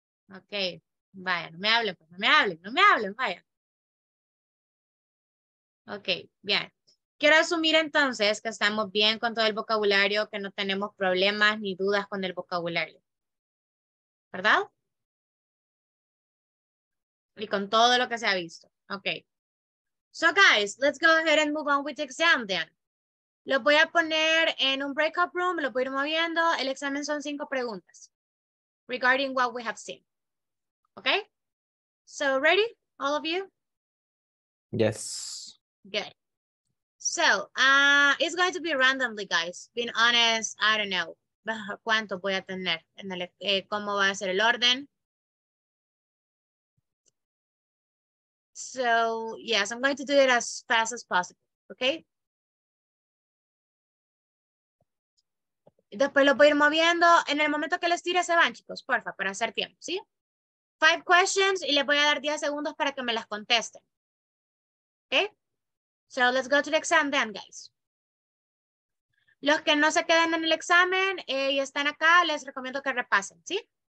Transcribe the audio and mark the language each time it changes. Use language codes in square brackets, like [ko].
[es] Ok, vaya, no me hablen, pues, no me hablen, no me hablen, vaya. Ok, bien. Quiero asumir entonces que estamos bien con todo el vocabulario, que no tenemos problemas ni dudas con el vocabulario. ¿Verdad? Y con todo lo que se ha visto. [en] Ok. So guys, let's go ahead and move on with the exam then. [es] Lo voy a poner en un breakout room, lo voy a ir moviendo. El examen son 5 preguntas. [en] Regarding what we have seen. [es] Ok. [en] So ready, all of you? Yes. Good. So, it's going to be randomly, guys. Being honest, I don't know. [es] ¿Cuánto voy a tener? ¿Cómo va a ser el orden? [en] So, yes, I'm going to do it as fast as possible, okay? [es] Después lo voy a ir moviendo. En el momento que les tire, se van, chicos, porfa, para hacer tiempo, ¿sí? 5 questions y les voy a dar 10 segundos para que me las contesten. [en] Okay? So let's go to the exam then, guys. [es] Los que no se queden en el examen y están acá, les recomiendo que repasen, ¿sí?